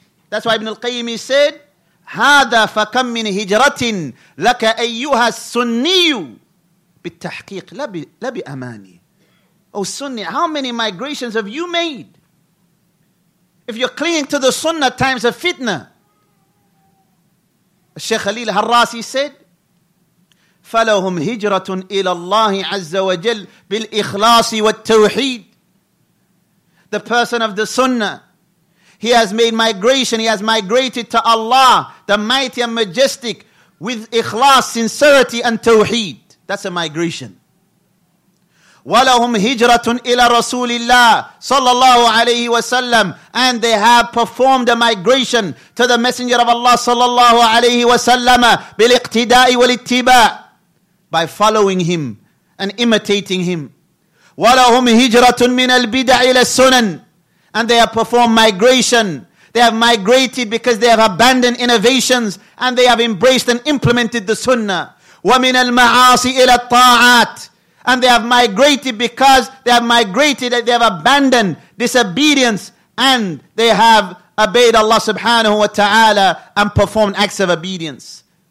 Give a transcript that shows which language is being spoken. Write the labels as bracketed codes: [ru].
[en] That's why Ibn al-Qayyim said, [ar] هَذَا فَكَمْ مِنْ هِجْرَةٍ لَكَ أَيُّهَا السُنِّيُّ بِالتَّحْقِيقِ لَا بِأَمَانِي. [en] O Sunni, how many migrations have you made? If you're clinging to the Sunnah times of fitna, Shaykh Khalil Harras, he said, [ar] فَلَهُمْ هِجْرَةٌ إِلَى اللَّهِ عَزَّ وَجَلْ بِالْإِخْلَاصِ وَالتَّوْحِيدِ. [en] The person of the Sunnah, he has made migration, he has migrated to Allah, the mighty and majestic, with ikhlas, sincerity and tawheed. That's a migration. [ar] ولهم هجرة إلى رسول الله صلى الله عليه وسلم, [en] and they have performed a migration to the Messenger of Allah صلى الله عليه وسلم [ar] بالاقتداء والاتباع, [en] by following him and imitating him. [ar] ولهم هجرة من البدع إلى السنن, [en] and they have performed migration. They have migrated because they have abandoned innovations and they have embraced and implemented the sunnah. [ar] وَمِنَ الْمَعَاصِ إِلَى الطَّاعَاتِ, [en] and they have migrated because they have migrated, they have abandoned disobedience and they have obeyed Allah subhanahu wa ta'ala and performed acts of obedience.